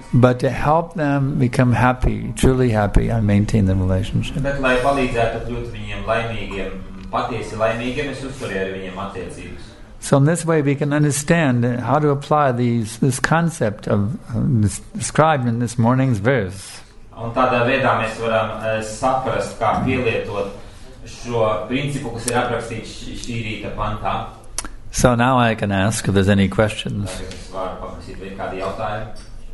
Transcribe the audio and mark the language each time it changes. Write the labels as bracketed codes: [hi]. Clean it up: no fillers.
[en] But to help them become happy, truly happy, I maintain the relationship. [lv] Bet, lai palīdzētu kļūt viņiem laimīgiem, patiesi laimīgiem, es uzturēju ar viņiem attiecības. [en] So in this way we can understand how to apply these, this concept of this described in this morning's verse. [lv] Un tādā veidā mēs varam saprast, kā pielietot šo principu, kas ir aprakstīts šī rīta pantā. [en] So now I can ask if there's any questions. [lv] Es varu paprasīt vien kādu jautājumu.